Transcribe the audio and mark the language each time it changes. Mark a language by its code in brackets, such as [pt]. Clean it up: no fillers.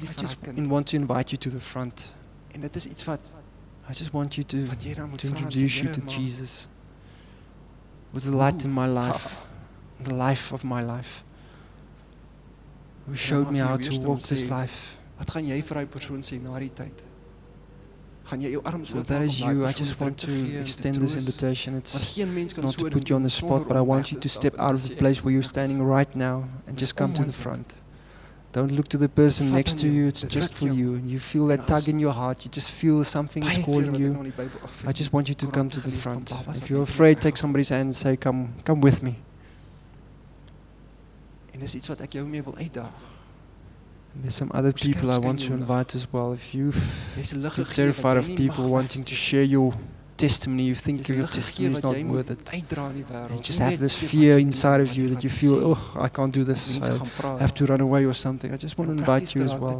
[en] I just want to invite you to the front. I just want you to introduce you to Jesus, who is the light in my life, the life of my life, who showed me how to walk this life. [af] Wat gaan jy vir daai persoon sê na die tyd? Gaan jy jou arms oop? [en] That is you. I just want to extend this invitation. It's not to put you on the spot, but I want you to step out of the place where you're standing right now and just come to the front. Don't look to the person next to you. It's just for you. And you feel that tug in your heart. You just feel something is calling you. I just want you to come to the front. If you're afraid, take somebody's hand and say, come with me. [af] En is iets wat ek jou mee wil uitdaag. [en] And there's some other people I want to invite as well. If you're terrified of people wanting to share your testimony, you think your testimony is not worth it, and just have this fear inside of you that you feel, oh, I can't do this, I have to run away or something, I just want to invite you as well.